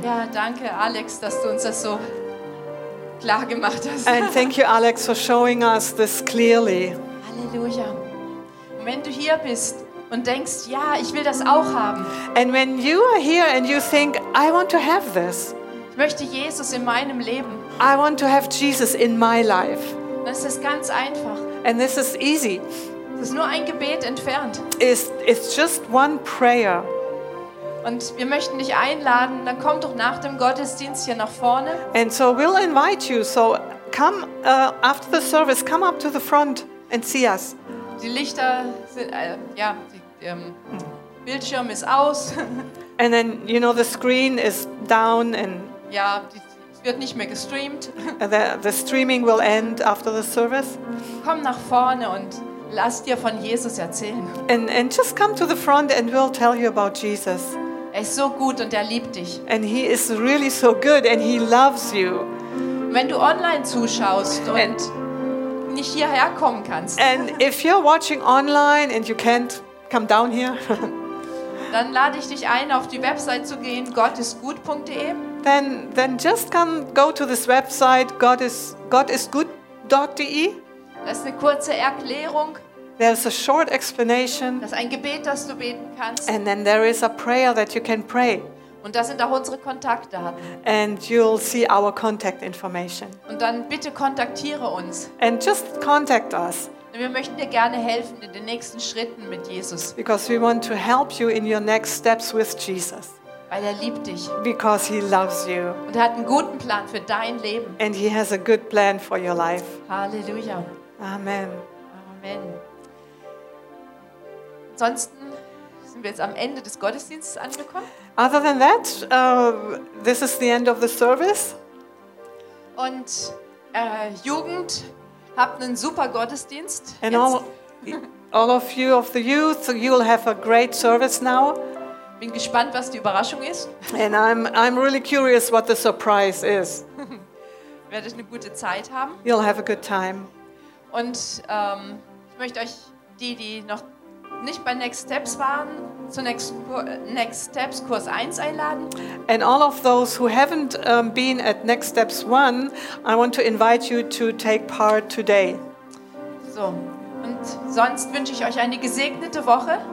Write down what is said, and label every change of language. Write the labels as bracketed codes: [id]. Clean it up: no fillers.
[de] Ja, danke Alex, dass du uns das so klar gemacht hast. [en] And thank you, Alex, for showing us this clearly. [de] Halleluja. Und wenn du hier bist und denkst, ja, ich will das auch haben. [en] And when you are here and you think, I want to have this. [de] Ich möchte Jesus in meinem Leben. [en] I want to have Jesus in my life. [de] Das ist ganz einfach. [en] And this is easy. [de] Es ist nur ein Gebet entfernt. [en] It's just one prayer. [de] Und wir möchten dich einladen, dann komm doch nach dem Gottesdienst hier nach vorne. [en] And so we'll invite you. So come after the service, come up to the front and see us. [de] Die Lichter sind ja, die Bildschirm ist aus. [en] And then you know the screen is down and [de] ja, die wird nicht mehr gestreamt. [en] The streaming will end after the service. [de] Komm nach vorne und lass dir von Jesus erzählen. [en] And just come to the front and we'll tell you about Jesus. [de] Er ist so gut und er liebt dich. [en] And he is really so good and he loves you. [de] Wenn du online zuschaust und nicht hierher kommen kannst. [en] And if you're watching online and you can't come down here. [de] Dann lade ich dich ein, auf die Website zu gehen, gottisgut.de. [en] Then just come go to this website gottisgut.de. [de] Das ist eine kurze Erklärung. [en] There's a short explanation. [de] Das ist ein Gebet, das du beten kannst. [en] And then there is a prayer that you can pray. [de] Und da sind auch unsere Kontaktdaten. [en] And you'll see our contact information. [de] Und dann bitte kontaktiere uns. [en] And just contact us. [de] Wir möchten dir gerne helfen in den nächsten Schritten mit Jesus. [en] Because we want to help you in your next steps with Jesus. [de] Weil er liebt dich. [en] Because he loves you. [de] Und er hat einen guten Plan für dein Leben. [en] And he has a good plan for your life. [de] Halleluja. Amen. Amen. Ansonsten sind wir jetzt am Ende des Gottesdienstes angekommen. [en] Other than that, this is the end of the service. [de] Und Jugend, habt einen super Gottesdienst. [en] And all of you of the youth, so you will have a great service now. [de] Bin gespannt, was die Überraschung ist. [en] And I'm really curious what the surprise is. [de] Werdet eine gute Zeit haben. [en] You'll have a good time. [de] Und ich möchte euch die noch nicht bei Next Steps waren, zu Next Steps Kurs 1 einladen. [en] And all of those who haven't been at Next Steps 1, I want to invite you to take part today. [de] So, und sonst wünsche ich euch eine gesegnete Woche.